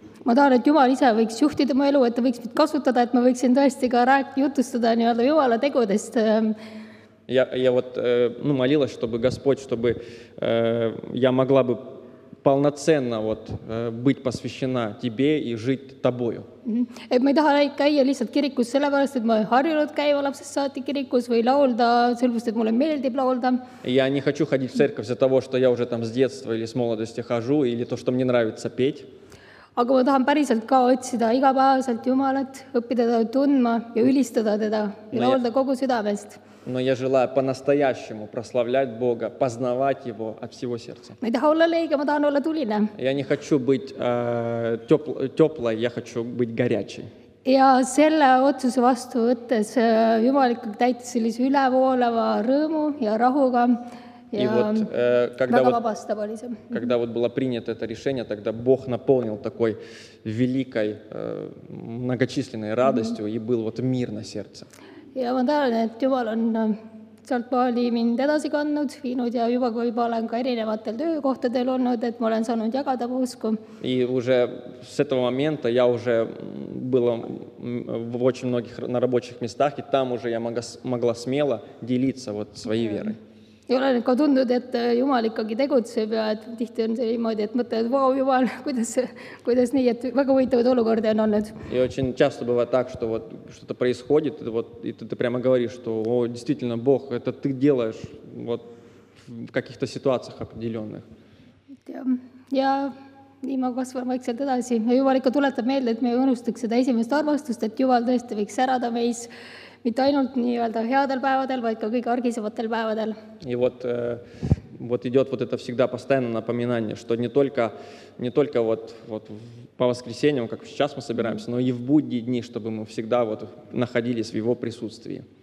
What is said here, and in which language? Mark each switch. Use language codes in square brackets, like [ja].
[et] Ma tahan, et Jumal ise võiks juhtida mu elu, et ta võiks mind kasutada, et ma võiksin tõesti ka jutustada nii-öelda Jumala tegudest. [ru] Я вот молилась, чтобы Господь, чтобы я могла бы полноценно вот быть посвящена тебе и жить тобою. [et] Et ma ei taha käia lihtsalt kirikus sellepärast, et ma olen harjunud käiva lapsest saati kirikus või laulda, sellepärast, et mulle meeldib laulda. [ru] Я не хочу ходить в церковь из-за того, что я уже там с детства или с молодости хожу, или то, что мне нравится петь. [et] Aga ma tahan päriselt ka otsida igapäevaselt Jumalat, õppida teda tundma ja ülistada teda ja laulda kogu südamest. [ru] Но я желаю по-настоящему прославлять Бога, познавать Его от всего сердца. Я не хочу быть теплой, я хочу быть горячей. [et] Ja selle otsuse vastu võttes jumalikult täita sellise ülevooleva rõõmu ja rahuga. [ru] И вот, когда вот было принято это решение, тогда Бог наполнил такой великой, многочисленной радостью и был вот мир на сердце. [et] Ja ma tean, et Jumal on sealt maali mind edasi kannud, viinud ja juba kui ma olen ka erinevatel töökohtadel olnud, et ma olen saanud jagada usku. [ru] И уже с этого момента я уже была в очень многих на рабочих местах, и там уже я могла смело делиться вот своей верой. [et] Ja olen ka tundnud, et Jumal ikkagi tegutseb ja et tihti on see niimoodi, et mõtled, et vau, Jumal, kuidas nii, et väga võitavad olukorda on olnud. [ru] Ja очень часто бывает так, что вот что-то происходит, вот, и ты прямо говоришь, что, о, действительно, Бог, это ты делаешь вот в каких-то ситуациях определенных. [et] Ja nii ma kasvan vaikselt edasi. Ja Jumal ikka tuletab meelde, et me ei unustaks seda esimest armastust, et Jumal tõesti võiks särada meis. Mitte ainult nii-öelda headel päevadel, vaid ka kõige argisematel päevadel. [ru] И вот, вот идет вот это всегда постоянное напоминание, что не только вот, вот по воскресеньям, как сейчас мы собираемся, но и в будние дни, чтобы мы всегда вот находились в его присутствии.